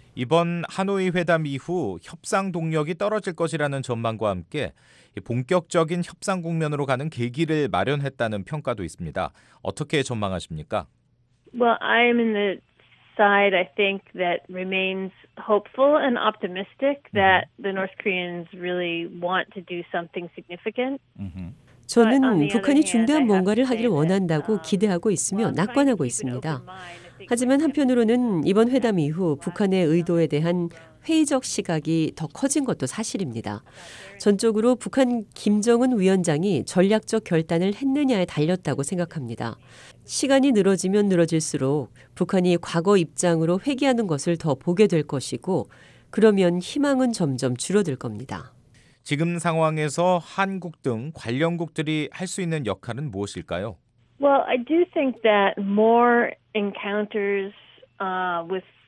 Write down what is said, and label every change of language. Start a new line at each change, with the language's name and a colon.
Korean: 이번 하노이 회담 이후 협상 동력이 떨어질 것이라는 전망과 함께 본격적인 협상 국면으로 가는 계기를 마련했다는 평가도 있습니다. 어떻게 전망하십니까?
English: Well, I'm in the side I think that remains hopeful and optimistic that the North Koreans really want to do something significant.
Korean: 저는 북한이 중대한 뭔가를 하기를 원한다고 기대하고 있으며 낙관하고 있습니다. 하지만 한편으로는 이번 회담 이후 북한의 의도에 대한 회의적 시각이 더 커진 것도 사실입니다. 전적으로 북한 김정은 위원장이 전략적 결단을 했느냐에 달렸다고 생각합니다. 시간이 늘어지면 늘어질수록 북한이 과거 입장으로 회귀하는 것을 더 보게 될 것이고 그러면 희망은 점점 줄어들 겁니다. 지금 상황에서 한국 등 관련국들이 할 수 있는 역할은 무엇일까요?
English: Well, I do think that more encounters with